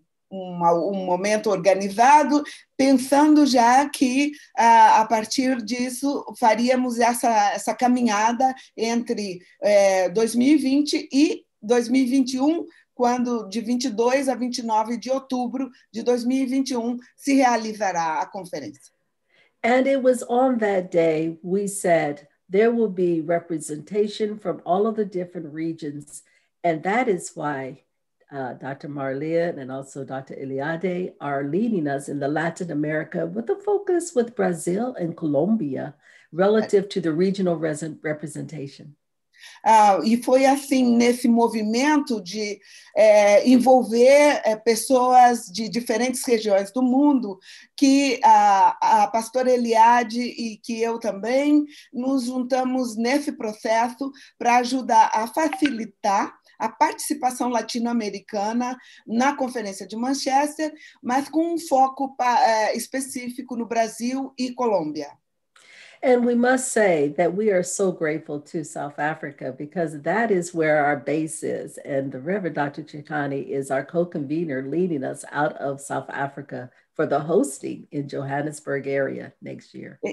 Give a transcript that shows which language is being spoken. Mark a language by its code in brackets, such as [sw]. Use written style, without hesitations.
[pt] um momento organizado, pensando já que a partir disso faríamos essa caminhada entre 2020 e 2021, quando de 22 a 29 de outubro de 2021 se realizará a conferência. [en] And it was on that day we said there will be representation from all of the different regions, and that is why Dr. Marlia and also Dr. Eliade are leading us in the Latin America with a focus with Brazil and Colombia relative to the regional representation. [pt] E foi assim, nesse movimento de envolver pessoas de diferentes regiões do mundo, que a pastora Eliade e que eu também nos juntamos nesse processo para ajudar a facilitar a participação latino-americana na Conferência de Manchester, mas com um foco específico no Brasil e Colômbia. [en] And we must say that we are so grateful to South Africa, because that is where our base is. And the Reverend Dr. Chikane is our co-convener leading us out of South Africa for the hosting in Johannesburg area next year.